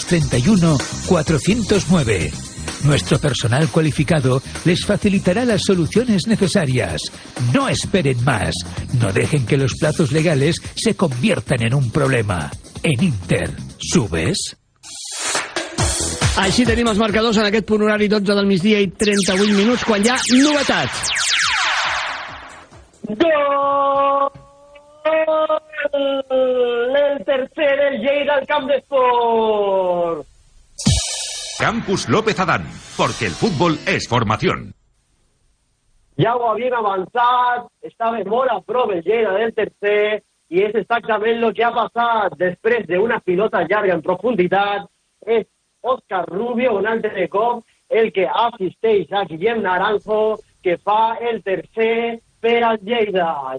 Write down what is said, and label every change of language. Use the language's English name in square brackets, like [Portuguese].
[Spanish] 673-931-409. Nuestro personal cualificado les facilitará las soluciones necesarias. No esperen más. No dejen que los plazos legales se conviertan en un problema. En Inter, ¿subes? [Catalan] Així tenim els marcadors en aquest punt horari 12 del migdia i 38 minuts, quan hi ha novetats. Gol! El tercer, el Lleida, al Camp d'Esport. [Spanish] Campus López Adán, porque el fútbol es formación. [Catalan] Ja ho havíem avançat, estava molt a prop el Lleida del tercer, i és exactament el que ha passat després d'una pilota llarga en profunditat, és Òscar Rubio, un altre cop, el que assisteix a Guillem Naranjo, que fa el tercer per al Lleida.